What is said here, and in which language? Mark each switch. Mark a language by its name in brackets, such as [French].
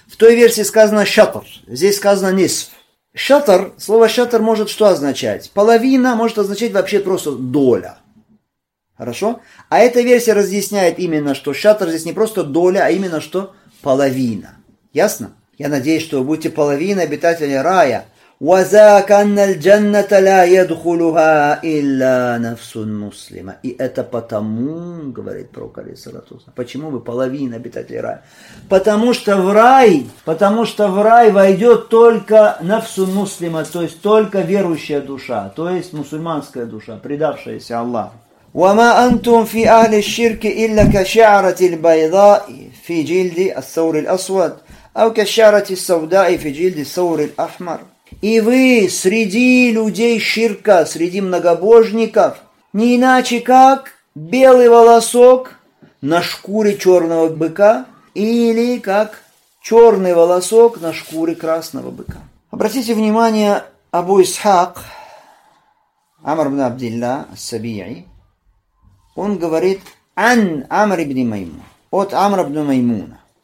[Russian] В той версии сказано шатр, здесь сказано нисф. Шатр, слово шатр может что означать? Половина может означать вообще просто доля. Хорошо? А эта версия разъясняет именно, что шатр здесь не просто доля, а именно что? Половина. Ясно? Я надеюсь, что вы будете половиной обитателя рая. [Arabic] وذاك أن الجنة لا يدخلها إلا نفس مسلمة. [Russian] И это потому, говорит пророк, алейхиссалатусалям, почему бы половина обитателей рая? Потому что в рай войдет только нафсу муслима, то есть только верующая душа, то есть мусульманская душа, предавшаяся Аллаху. [Arabic] وما أنتم في أهل الشرك إلا كشعرة البيضاء في جلد الثور الأسود أو كشعرة السوداء في جلد الثور الأحمر. [Russian] И вы среди людей ширка, среди многобожников, не иначе как белый волосок на шкуре черного быка или как черный волосок на шкуре красного быка. Обратите внимание, Абу Исхак, Амр ибн Абдилла, Ас-Сабии, он говорит «Ан Амр ибн Маймун», от Амр ибн Маймуна.